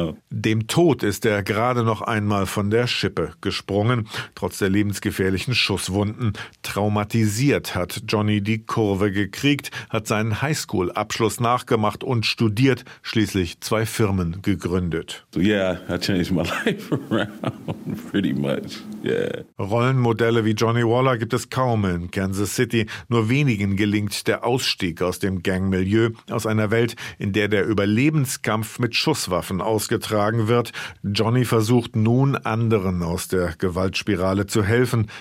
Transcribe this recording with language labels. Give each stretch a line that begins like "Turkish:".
German: Dem Tod ist er gerade noch einmal von der Schippe gesprungen, trotz der lebensgefährlichen Schusswunden. Traumatisiert hat Johnny die Kurve gekriegt, hat seinen Highschool-Abschluss nachgemacht und studiert, schließlich zwei Firmen gegründet.
English: So yeah, I changed my life around pretty much.
German: Rollenmodelle wie Johnny Waller gibt es kaum in Kansas City. Nur wenigen gelingt der Ausstieg aus dem Gangmilieu, aus einer Welt, in der der Überlebenskampf mit Schusswaffen ausgetragen wird. Johnny versucht nun, anderen aus der Gewaltspirale zu helfen.